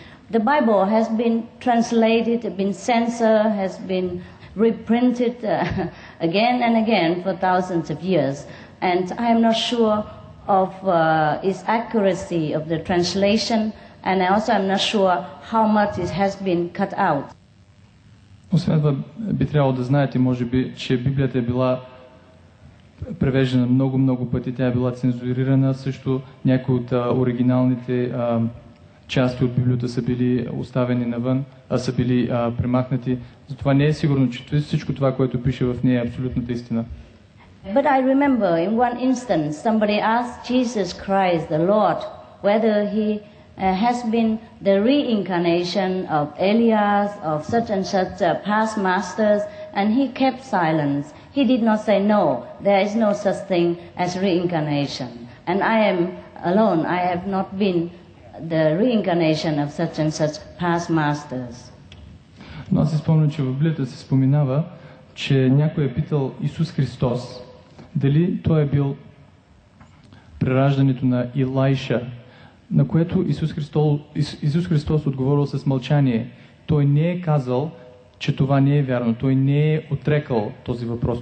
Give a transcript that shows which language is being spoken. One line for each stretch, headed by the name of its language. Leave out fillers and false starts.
English: The Bible has been translated, been censored, has been reprinted again and again for thousands of years, and I am not sure of its accuracy of the translation, and I also am not sure how much it has been cut out.
Bulgarian: Освен това би трябвало да знаете, може би, че Библията е била превеждена много пъти, тя е била цензурирана, също някои от оригиналните части от Библията са били оставени навън, а са били премахнати. Затова не е сигурно, че всичко това, което пише в нея, е абсолютната истина.
English: But I remember in one instance somebody asked Jesus Christ, the Lord, whether he has been the reincarnation of Elias, of such and such past masters, and he kept silence. He did not say no, there is no such thing as reincarnation. And I am alone, I have not been the reincarnation of such and such past masters.
Bulgarian: Но аз си спомням, че в Библията се споменава, че някой е питал Исус Христос дали той е бил преражданието на Илайша, на което Исус Христос отговорил с мълчание. Той не е казал, че това не е вярно. Той не е отрекал този въпрос.